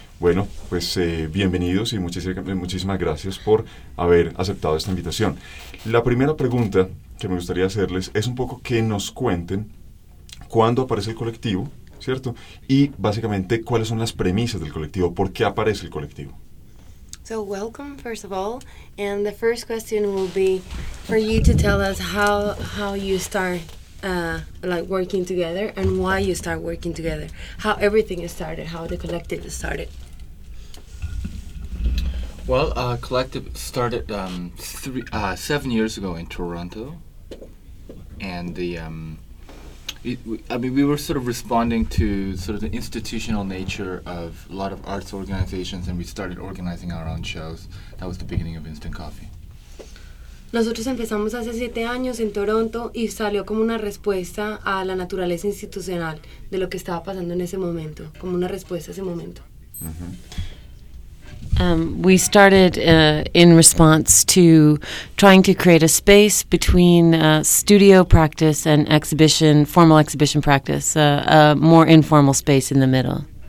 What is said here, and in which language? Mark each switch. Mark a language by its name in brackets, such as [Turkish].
[Spanish] Bueno, pues bienvenidos y muchísimas gracias por haber aceptado esta invitación. La primera pregunta que me gustaría hacerles es un poco que nos cuenten cuándo aparece el colectivo, ¿cierto? Y básicamente, ¿cuáles son las premisas del colectivo? ¿Por qué aparece el colectivo? [English] So welcome, first of all, and the first question will be for you to tell us how you start like working together and why you start working together, how everything started, how the collective started. Well, collective started 7 years ago in Toronto, and we were sort of responding to sort of the institutional nature of a lot of arts organizations, and we started organizing our own shows. That was the beginning of Instant Coffee. [Spanish] Nosotros empezamos hace 7 años en Toronto y salió como una respuesta a la naturaleza institucional de lo que estaba pasando en ese momento, como una respuesta a ese momento. [English] We started in response to trying to create a space between studio practice and exhibition, formal exhibition practice, a more informal space in the middle.